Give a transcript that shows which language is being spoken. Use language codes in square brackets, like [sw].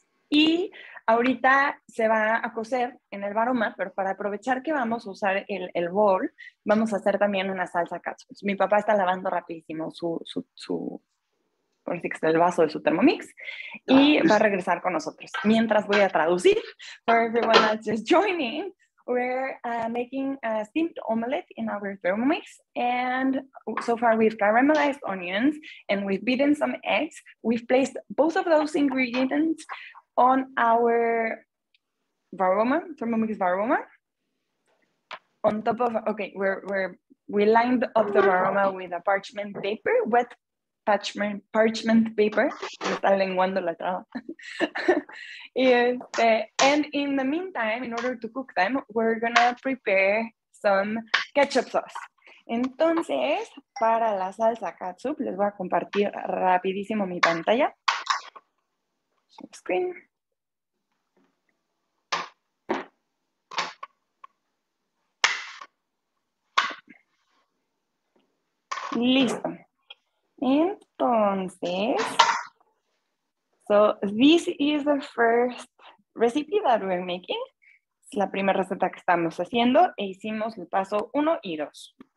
[es] Y ahorita se va a cocer en el Varoma, pero para aprovechar que vamos a usar el bowl, vamos a hacer también una salsa catsup. Mi papá está lavando rapidísimo su el vaso de su Thermomix y va a regresar con nosotros. Mientras voy a traducir, [en] for everyone that's just joining, we're making a steamed omelette in our Thermomix, and so far we've caramelized onions and we've beaten some eggs. We've placed both of those ingredients on our Varoma, Thermomix Varoma. On top of, okay, we lined up the Varoma with a parchment paper, wet parchment paper, [es] me está lenguando la traba. [en] And in the meantime, in order to cook them, we're gonna prepare some ketchup sauce. [es] Entonces, para la salsa catsup, les voy a compartir rapidísimo mi pantalla. [en] Screen. [es] Listo. Entonces, [en] so this is the first recipe that we're making. [es] Es la primera receta que estamos haciendo e hicimos el paso 1 y 2.